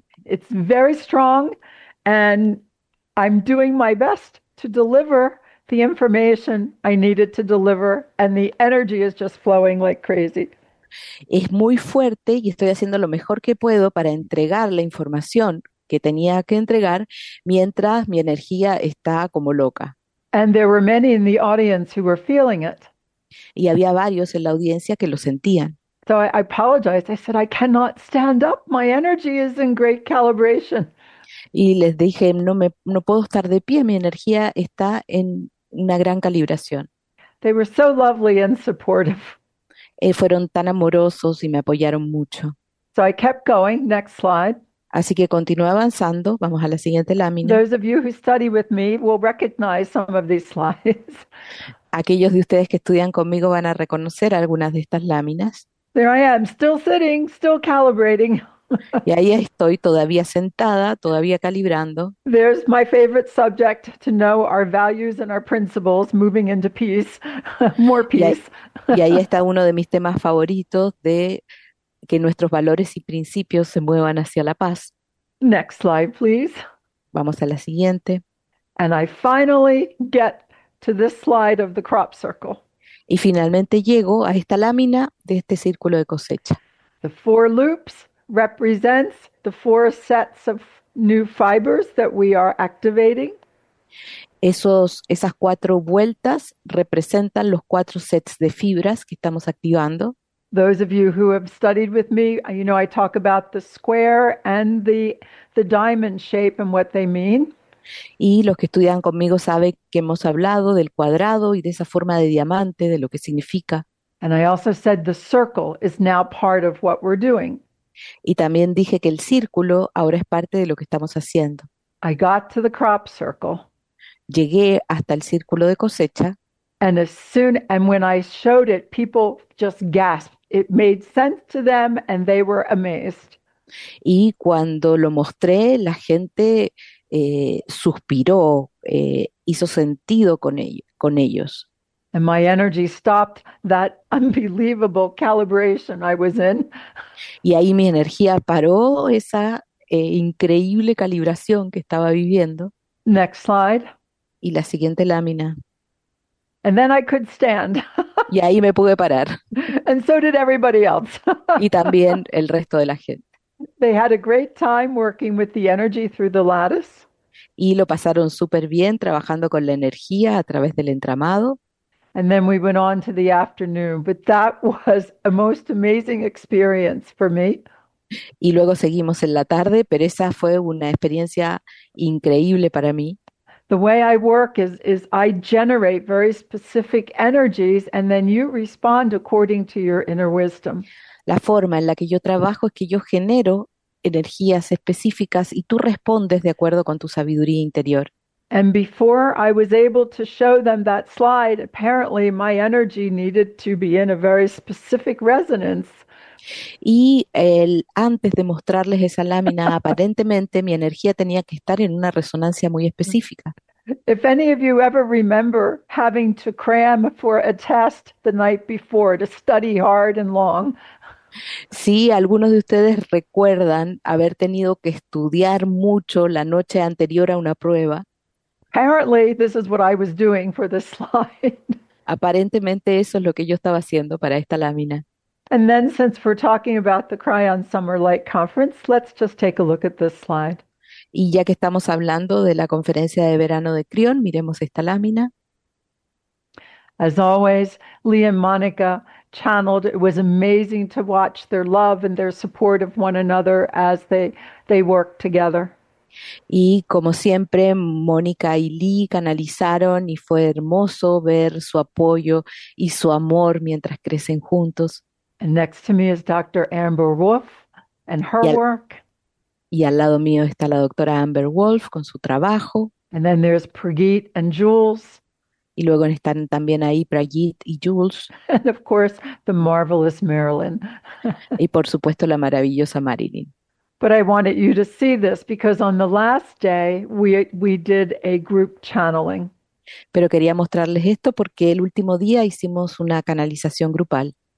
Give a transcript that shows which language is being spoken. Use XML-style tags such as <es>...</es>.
<en>It's very strong and I'm doing my best to deliver the information I needed to deliver and the energy is just flowing like crazy.</en> <es>Es muy fuerte y estoy haciendo lo mejor que puedo para entregar la información que tenía que entregar mientras mi energía está como loca.</es> <en>And there were many in the audience who were feeling it.</en> <es>Y había varios en la audiencia que lo sentían.</es> <en>So I apologized. I said, I cannot stand up. My energy is in great calibration.</en> <es>Y les dije, no puedo estar de pie. Mi energía está en una gran calibración.</es> <en>They were so lovely and supportive.</en> <es>Fueron tan amorosos y me apoyaron mucho.</es> <en>So I kept going. Next slide.</en> <es>Así que continué avanzando. Vamos a la siguiente lámina.</es> <en>Those of you who study with me will recognize some of these slides.</en> <es>Aquellos de ustedes que estudian conmigo van a reconocer algunas de estas láminas.</es> <en>There I am, still sitting, still calibrating.</en> <es>Y ahí estoy todavía sentada, todavía calibrando.</es> <en>There's my favorite subject to know our values and our principles, moving into peace, more peace.</en> <es>Y ahí está uno de mis temas favoritos de que nuestros valores y principios se muevan hacia la paz.</es> <en>Next slide, please.</en> <es>Vamos a la siguiente.</es> <en>And I finally get to this slide of the crop circle.</en> <es>Y finalmente llego a esta lámina de este círculo de cosecha.</es> <en>The four loops represents the four sets of new fibers that we are activating.</en> <es>Esas cuatro vueltas representan los cuatro sets de fibras que estamos activando.</es> <en>Those of you who have studied with me, you know I talk about the square and the diamond shape and what they mean.</en> <es>Y los que estudian conmigo saben que hemos hablado del cuadrado y de esa forma de diamante, de lo que significa.</es> <en>And I also said the circle is now part of what we're doing.</en> <es>Y también dije que el círculo ahora es parte de lo que estamos haciendo.</es> <en>I got to the crop circle.</en> <es>Llegué hasta el círculo de cosecha.</es> <en>And as soon and when I showed it, people just gasped. It made sense to them and they were amazed.</en> <es>Y cuando lo mostré, la gente suspiró, hizo sentido con ellos.</es> <en>And my energy stopped that unbelievable calibration I was in.</en> <es>Y ahí mi energía paró esa increíble calibración que estaba viviendo.</es> <en>Next slide.</en> <es>Y la siguiente lámina.</es> <en>And then I could stand.</en> <es>Y ahí me pude parar.</es> <en>And so did everybody else.</en> <es>Y también el resto de la gente.</es> <en>They had a great time working with the energy through the lattice.</en> <es>Y lo pasaron súper bien trabajando con la energía a través del entramado.</es> <en>And then we went on to the afternoon, but that was a most amazing experience for me.</en> <es>Y luego seguimos en la tarde, pero esa fue una experiencia increíble para mí.</es> <en>The way I work is I generate very specific energies and then you respond according to your inner wisdom.</en> <es>La forma en la que yo trabajo es que yo genero energías específicas y tú respondes de acuerdo con tu sabiduría interior.</es> <en>And before I was able to show them that slide, apparently my energy needed to be in a very specific resonance.</en> <es>Y antes de mostrarles esa lámina, aparentemente mi energía tenía que estar en una resonancia muy específica.</es> <en>If any of you ever remember having to cram for a test the night before to study hard and long,</en> <es>Sí, algunos de ustedes recuerdan haber tenido que estudiar mucho la noche anterior a una prueba.</es> <en>apparently this is what I was doing for this slide.</en> <es>Aparentemente eso es lo que yo estaba haciendo para esta lámina.</es> <en>And then, since we're talking about the Cryon Summer Light Conference, let's just take a look at this slide.</en> <es>Y ya que estamos hablando de la conferencia de verano de Crión, miremos esta lámina.</es> <en>As always, Lee and Monica channeled. It was amazing to watch their love and their support of one another as they worked together.</en> <es>Y como siempre, Mónica y Lee canalizaron y fue hermoso ver su apoyo y su amor mientras crecen juntos.</es> <en>And next to me is Dr. Amber Wolf and her work.</en> <es>Y al lado mío está la doctora Amber Wolf con su trabajo.</es> <en>And then there's Pragit and Jules.</en> <es>Y luego están también ahí Prajit y Jules.</es> <en>And of course, the marvelous Marilyn.</en> <es>Y por supuesto la maravillosa Marilyn.</es> <en>But I wanted you to see this because on the last day we did a group channeling.</en> <es>Pero quería mostrarles esto porque el último día hicimos una canalización grupal.</es>